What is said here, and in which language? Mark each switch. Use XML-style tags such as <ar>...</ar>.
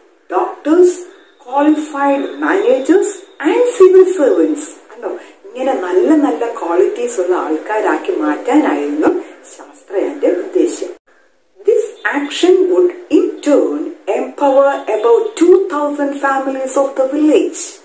<en>doctors, qualified managers and civil servants.</en> <ml>അല്ലോ ഇങ്ങനെ നല്ല നല്ല ക്വാളിറ്റീസ് ഉള്ള ആൾക്കാരാക്കി മാറ്റാനായിരുന്നു ശാസ്ത്രജ്ഞന്റെ ഉദ്ദേശം.</ml> <en>This action would in turn empower about 2000 families of the village.</en>